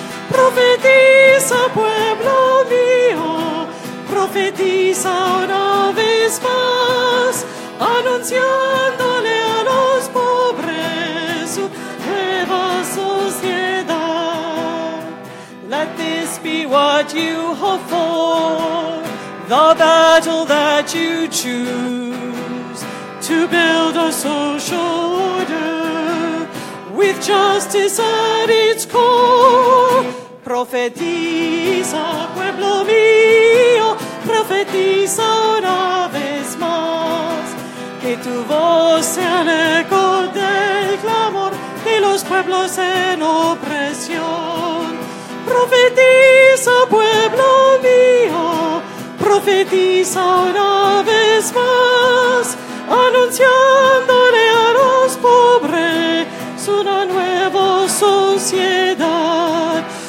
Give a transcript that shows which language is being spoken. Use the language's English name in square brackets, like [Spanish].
[Spanish] Profetiza, pueblo mío, profetiza una vez más, anunciándole a los pobres su nueva sociedad. [English] Let this be what you hope for, the battle that you choose, to build a social order with justice at its core. [Spanish] Profetiza, pueblo mío, profetiza una vez más, que tu voz sea el eco del clamor de los pueblos en opresión. Profetiza, pueblo mío, profetiza una vez más, anunciándole a los pobres una nueva sociedad.